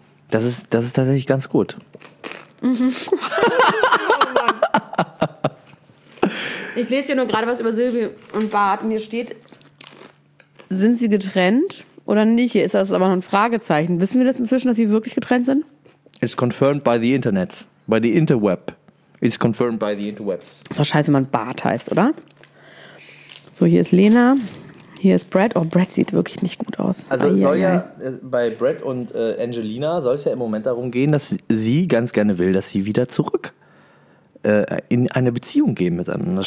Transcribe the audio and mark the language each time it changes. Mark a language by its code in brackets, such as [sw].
[de] Das ist tatsächlich ganz gut. Mhm. Ich lese hier nur gerade was über Silvi und Bart und hier steht, sind sie getrennt oder nicht? Hier ist das aber noch ein Fragezeichen. Wissen wir das inzwischen, dass sie wirklich getrennt sind? [en] It's confirmed by the Internet. By the interweb. It's confirmed by the interwebs. [de] Das ist doch scheiße, wenn man Bart heißt, oder? So, hier ist Lena. Hier ist Brad. Oh, Brad sieht wirklich nicht gut aus. Also bei Brad und Angelina soll es ja im Moment darum gehen, dass sie ganz gerne will, dass sie wieder zurück in eine Beziehung gehen miteinander.